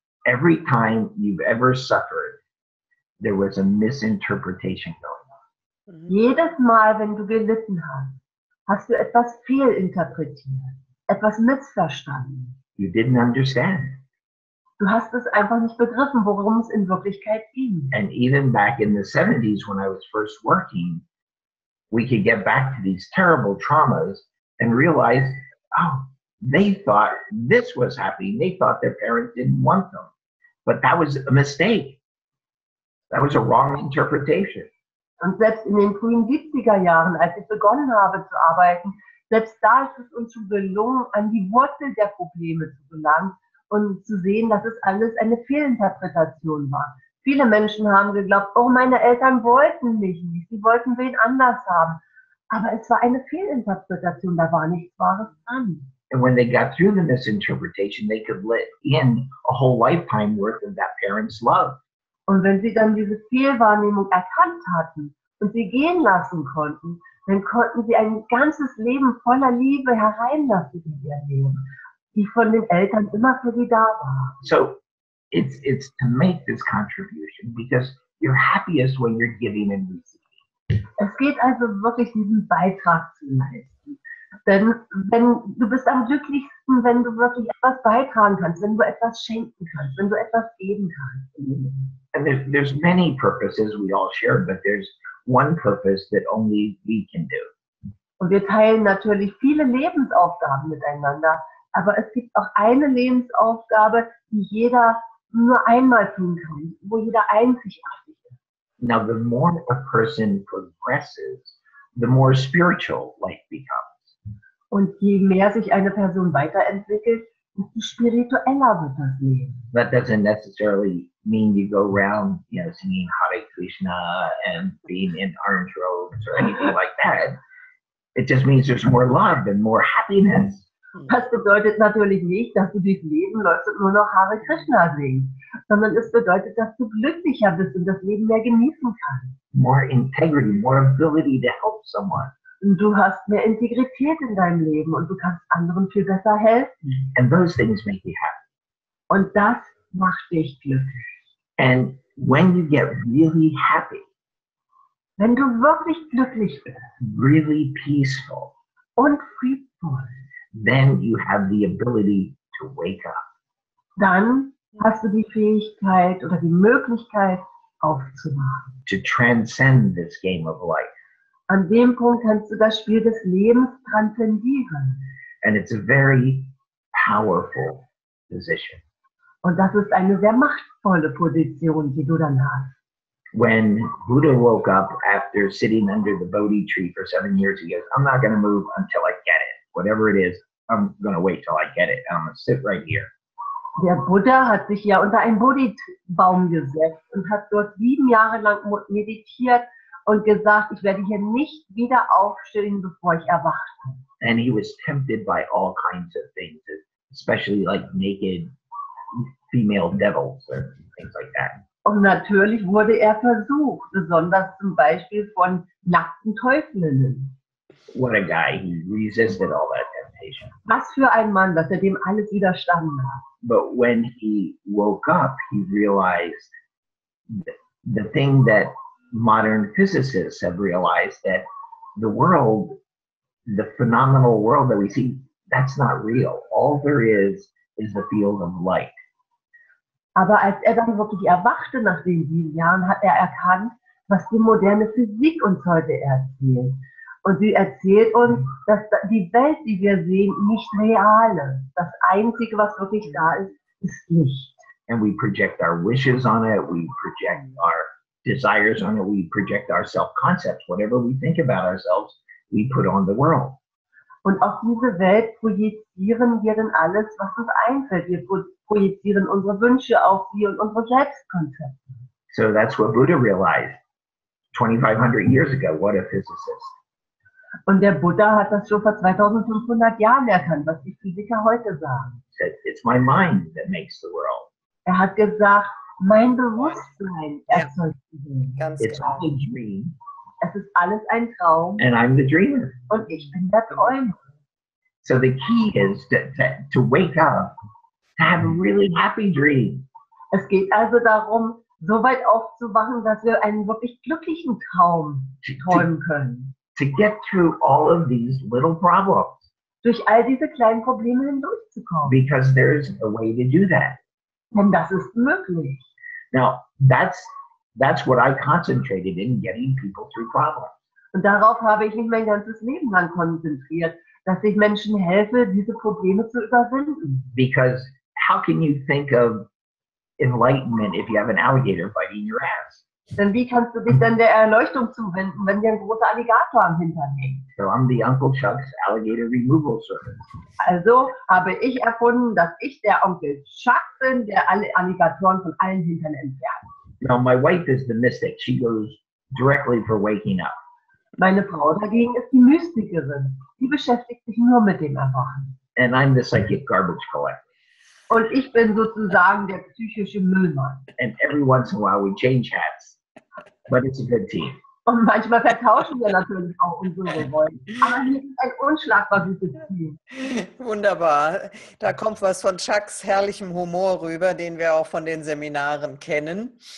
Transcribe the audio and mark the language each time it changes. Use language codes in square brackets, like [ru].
[en] Every time you've ever suffered, there was a misinterpretation going on. [de] Jedes Mal, wenn du gelitten hast, hast du etwas fehlinterpretiert, etwas missverstanden. [en] You didn't understand. [de] Du hast es einfach nicht begriffen, worum es in Wirklichkeit ging. [en] And even back in the 70s, when I was first working, we could get back to these terrible traumas and realize, oh, they thought this was happening. They thought their parents didn't want them. But that was a mistake. That was a wrong interpretation. [de] Und selbst in den frühen 70er Jahren, als ich begonnen habe zu arbeiten, selbst da ist es uns schon gelungen, an die Wurzel der Probleme zu gelangen und zu sehen, dass es alles eine Fehlinterpretation war. Viele Menschen haben geglaubt, oh, meine Eltern wollten mich nicht, sie wollten wen anders haben. Aber es war eine Fehlinterpretation, da war nichts Wahres dran. [en] And when they got through the misinterpretation, they could let in a whole lifetime worth of that parent's love. [de] Und wenn sie dann diese Fehlwahrnehmung erkannt hatten und sie gehen lassen konnten, dann konnten sie ein ganzes Leben voller Liebe hereinlassen in ihr Leben, die von den Eltern immer für sie da war. [en] So, it's to make this contribution, because you're happiest when you're giving and receiving. [de] Es geht also wirklich, diesen Beitrag zu leisten. Denn wenn du bist am glücklichsten, wenn du wirklich etwas beitragen kannst, wenn du etwas schenken kannst, wenn du etwas geben kannst. [en] And there's many purposes we all share, but there's one purpose that only we can do. [de] Und wir teilen natürlich viele Lebensaufgaben miteinander, aber es gibt auch eine Lebensaufgabe, die jeder nur einmal tun kann, wo jeder einzigartig ist. [en] Now, the more a person progresses, the more spiritual life becomes. [de] Und je mehr sich eine Person weiterentwickelt, desto spiritueller wird das Leben. [en] That doesn't necessarily mean you go around, you know, singing Hare Krishna and being in orange robes or anything like that. It just means there's more love and more happiness. [de] Das bedeutet natürlich nicht, dass du durchs Leben läufst und nur noch Hare Krishna singst, sondern es bedeutet, dass du glücklicher bist und das Leben mehr genießen kannst. [en] More integrity, more ability to help someone. [de] Und du hast mehr Integrität in deinem Leben und du kannst anderen viel besser helfen. [en] And those things make you happy. [de] Und das macht dich glücklich. [en] And when you get really happy, [de] wenn du wirklich glücklich bist, [en] really peaceful [de] und friedvoll, [en] then you have the ability to wake up. [de] Dann hast du die Fähigkeit oder die Möglichkeit aufzumachen. [en] To transcend this game of life. [de] An dem Punkt kannst du das Spiel des Lebens transzendieren. [en] And it's a very powerful position. [de] Und das ist eine sehr machtvolle Position, die du dann hast. [en] When Buddha woke up after sitting under the Bodhi tree for 7 years, he goes, I'm not going to move until I get it. Whatever it is, I'm going to wait till I get it. I'm going to sit right here. [de] Der Buddha hat sich ja unter einen Bodhi-Baum gesetzt und hat dort 7 Jahre lang meditiert und gesagt, ich werde hier nicht wieder aufstehen, bevor ich erwache. [en] And he was tempted by all kinds of things, especially like naked female devils and things like that. [de] Und natürlich wurde er versucht, besonders zum Beispiel von nackten Teufelinnen. [en] What a guy, he resisted all that temptation. [de] Was für ein Mann, dass er dem alles widerstanden hat. [en] But when he woke up, he realized the thing that modern physicists have realized, that the world, the phenomenal world that we see, that's not real. All there is the field of light. [de] Aber als er dann wirklich erwachte nach den 7 Jahren, hat er erkannt, was die moderne Physik uns heute erzählt. Und sie erzählt uns, dass die Welt, die wir sehen, nicht real ist. Das Einzige, was wirklich da ist, ist Licht. [en] And we project our wishes on it, we project our desires on it, we project our self-concepts, whatever we think about ourselves, we put on the world. [de] Und auf diese Welt projizieren wir dann alles, was uns einfällt. Wir projizieren unsere Wünsche auf sie und unsere Selbstkonzepte. [en] So that's what Buddha realized 2500 years ago. What a physicist. [de] Und der Buddha hat das schon vor 2500 Jahren erkannt, was die Physiker heute sagen. [en] It's my mind that makes the world. [de] Er hat gesagt, mein Bewusstsein erzeugt die Welt. [en] It's all a dream. [de] Es ist alles ein Traum. [en] And I'm the dreamer. [de] Und ich bin der Träumer. [en] So the key is to wake up, to have a really happy dream. [de] Es geht also darum, so weit aufzuwachen, dass wir einen wirklich glücklichen Traum träumen können. [en] To get through all of these little problems. [de] Durch all diese kleinen Probleme hindurchzukommen. [en] Because there's a way to do that. [de] Und das ist möglich. [en] Now, that's what I concentrated in getting people through problems. [de] Und darauf habe ich mich mein ganzes Leben lang konzentriert, dass ich Menschen helfe, diese Probleme zu überwinden. [en] Because how can you think of enlightenment if you have an alligator biting your ass? [de] Denn wie kannst du dich dann der Erleuchtung zuwenden, wenn dir ein großer Alligator am Hintern hängt? [en] So I'm the Uncle Chuck's alligator removal service. [de] Also habe ich erfunden, dass ich der Onkel Chuck bin, der alle Alligatoren von allen Hintern entfernt. [en] Now my wife is the mystic. She goes directly for waking up. [de] Meine Frau dagegen ist die Mystikerin. Die beschäftigt sich nur mit dem Erwachen. [en] And I'm the psychic garbage collector. [de] Und ich bin sozusagen der psychische Müllmann. [en] And every once in a while we change hats. But it's a good team. [de] Und manchmal vertauschen wir natürlich auch unsere Rollen. Aber hier ist ein unschlagbar gutes Team. Wunderbar. Da kommt was von Chucks herrlichem Humor rüber, den wir auch von den Seminaren kennen.